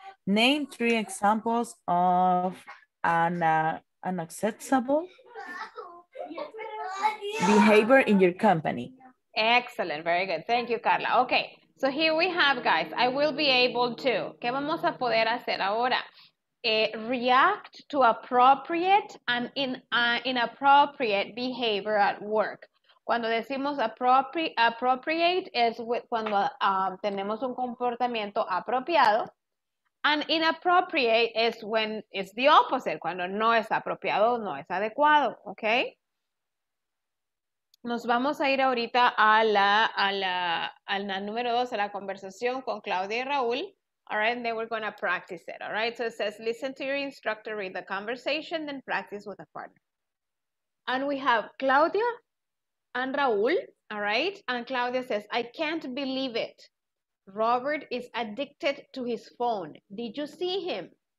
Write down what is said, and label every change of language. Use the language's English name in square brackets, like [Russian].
[English] Name three examples of unacceptable behavior in your company. Excellent, very good. Thank you, Carla. Okay, so here we have, guys, I will be able to. [Spanish] ¿Qué vamos a poder hacer ahora? [English] React to appropriate and inappropriate behavior at work. [Spanish] Cuando decimos appropriate es cuando tenemos un comportamiento apropiado. [English] And inappropriate is when it's the opposite, [Spanish] cuando no es apropiado, no es adecuado, [English] okay? [Spanish] Nos vamos a ir ahorita a la número dos, a la conversación con Claudia y Raúl. [English] All right, and then we're going to practice it, all right? So it says, listen to your instructor, read the conversation, then practice with a partner. And we have Claudia and Raúl, all right? And Claudia says, I can't believe it. Robert is addicted to his phone. Did you see him?